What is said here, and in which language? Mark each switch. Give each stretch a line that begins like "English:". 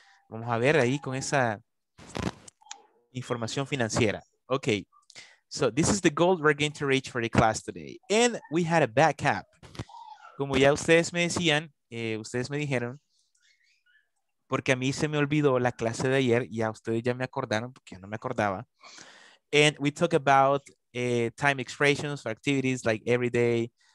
Spanish: Vamos a ver ahí con esa información financiera.
English: Okay, so this is the goal we're going to reach for the class today. And we had a backup.
Spanish: Como ya ustedes me decían, ustedes me dijeron, porque a mí se me olvidó la clase de ayer, ya ustedes ya me acordaron, porque yo no me acordaba.
English: And we talk about time expressions for activities like every day.